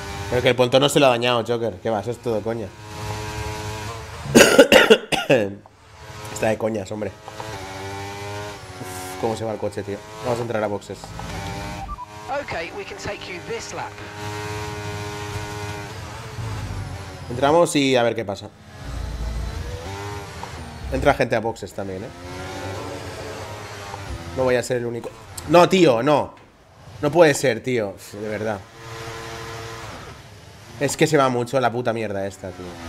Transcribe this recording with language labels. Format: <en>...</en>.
<es>Pero que el pontón no se lo ha dañado, Joker. ¿Qué va? Eso es todo coña. Está de coñas, hombre. Uf, cómo se va el coche, tío. Vamos a entrar a boxes.</es> <en>Okay, we can take you this lap.</en> <es>Entramos y a ver qué pasa. Entra gente a boxes también, ¿eh? No voy a ser el único. ¡No, tío! ¡No! No puede ser, tío. De verdad. Es que se va mucho la puta mierda esta, tío.</es>